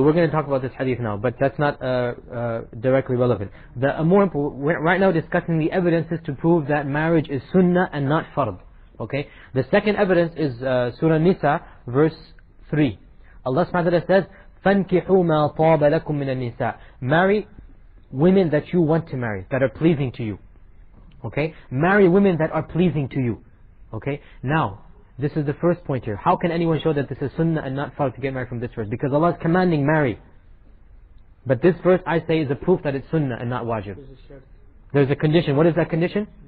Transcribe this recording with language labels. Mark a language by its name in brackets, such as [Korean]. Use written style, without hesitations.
[English] We're going to talk about this hadith now, but that's not directly relevant. The more we're right now discussing the evidences to prove that marriage is sunnah and not fard. Okay? The second evidence is Surah Nisa, verse 3. Allah subhanahu wa ta'ala says, [Arabic] فَانْكِحُوا مَا طَابَ لَكُم مِّنَ النِّسَاءِ. [English] Marry women that you want to marry, that are pleasing to you. Okay? Marry women that are pleasing to you. Okay? Now, this is the first point here. How can anyone show that this is sunnah and not fard to get married from this verse? Because Allah is commanding marry. But this verse, I say, is a proof that it's sunnah and not wajib. There's a condition. What is that condition?